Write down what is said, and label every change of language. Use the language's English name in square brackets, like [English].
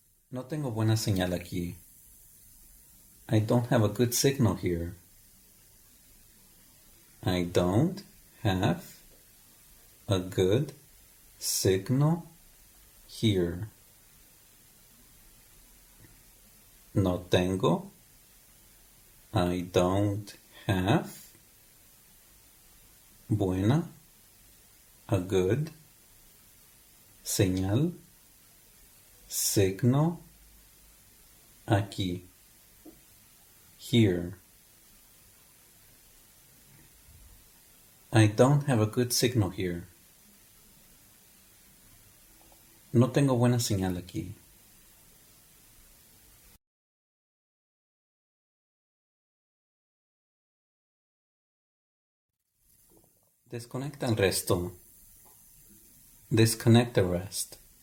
[Spanish] No tengo buena señal aquí. [English] I don't have a good signal here. I don't have a good signal here. [Spanish] No tengo. [English] I don't have [Spanish] buena, [English] a good [Spanish] señal, [English] signal [Spanish] aquí, [English] here. I don't have a good signal here. [Spanish] No tengo buena señal aquí. Desconecta el resto. [English] Disconnect the rest.